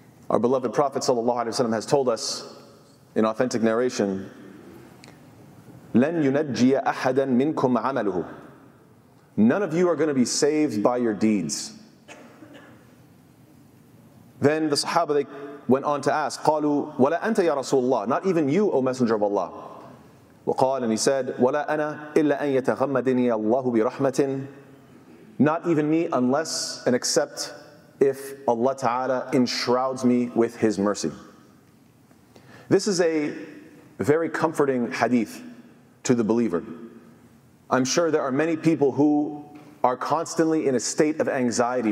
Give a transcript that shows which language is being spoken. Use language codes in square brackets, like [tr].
[en] Our beloved Prophet sallallahu alaihi wasallam has told us in authentic narration, [ar] لَنْ يُنَجِّيَ أَحَدًا مِنْكُمْ عَمَلُهُ. [en] None of you are going to be saved by your deeds. Then the Sahaba, they went on to ask, [ar] قَالُوا وَلَا أَنْتَ يَا رَسُولُ اللَّهِ. [en] Not even you, O Messenger of Allah. [ar] وَقَالَ, [en] and he said, [ar] وَلَا أَنَا إِلَّا أَنْ يَتَغَمَّدِنِيَ اللَّهُ بِرَحْمَةٍ. [en] Not even me, unless and except if Allah Ta'ala enshrouds me with His mercy. This is a very comforting hadith to the believer. I'm sure there are many people who are constantly in a state of anxiety.